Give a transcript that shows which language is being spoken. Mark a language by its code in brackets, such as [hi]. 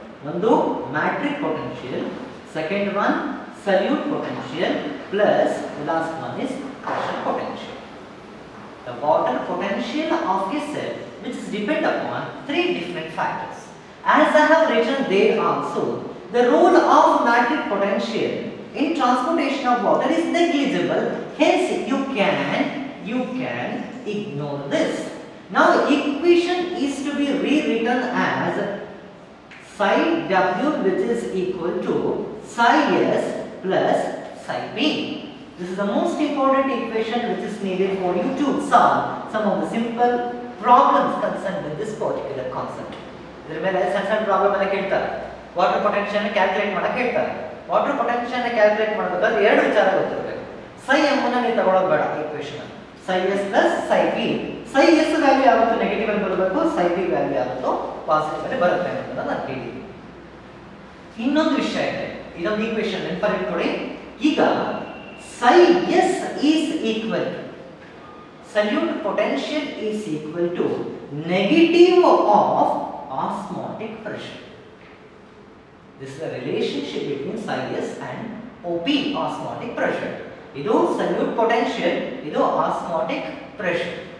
[en] ಒಂದು matrix potential, second one solute potential, plus last one is pressure potential. The water potential of a cell which depend upon 3 different factors as I have written there also. The role of matrix potential in transportation of water is negligible. Hence, you can ignore this. Now, equation is to be rewritten as psi W, which is equal to psi S plus psi B. This is the most important equation which is needed for you to solve some of the simple problems concerned with this particular concept. There may be some problem in the case. [kn] Water ಪೊಟೆನ್ಶಿಯನ್ನು calculate ಮಾಡೋಕೆ ಹೇಳ್ತಾರೆ. Water ಪೊಟೆನ್ಶಿಯನ್ನು calculate ಮಾಡಬೇಕಾದ್ರೆ 2 ವಿಚಾರ ಗೊತ್ತಿರಬೇಕು. ಸೈ ಎಂಬುದನ್ನು ನೀವು ತಗೊಳ್ಳೋದು ಬೇಡ, [en] Equation psi s plus psi b. [kn] ಸೈ ಎಸ್ ವ್ಯಾಲ್ಯೂ ಯಾವತ್ತು ನೆಗೆಟಿವ್ ಅಲ್ಲಿ ಬರಬೇಕು, ಸೈ ಬಿ ವ್ಯಾಲ್ಯೂ ಯಾವತ್ತು ಪಾಸಿಟಿವ್ ಅಲ್ಲಿ ಬರುತ್ತೆ ಅಂತ ನಾನು ಕೇಳಿದ್ದೀನಿ. ಇನ್ನೊಂದು ವಿಷಯ ಇದೆ, ಇದೊಂದು ಈಕ್ವೇಶನ್ ನೆನಪಲ್ಲಿ ಕೊಡಿ. [en] ಈಗ psi s is equal to solute potential is equal to negative of osmotic pressure. This is the relationship between psi s and OP, osmotic pressure. [kn] ಇದು ಸಲ್ಯೂಟ್ ಪೊಟೆನ್ಶಿಯಲ್, ಇದು ಆಸ್ಮೋಟಿಕ್ ಪ್ರೆಷರ್.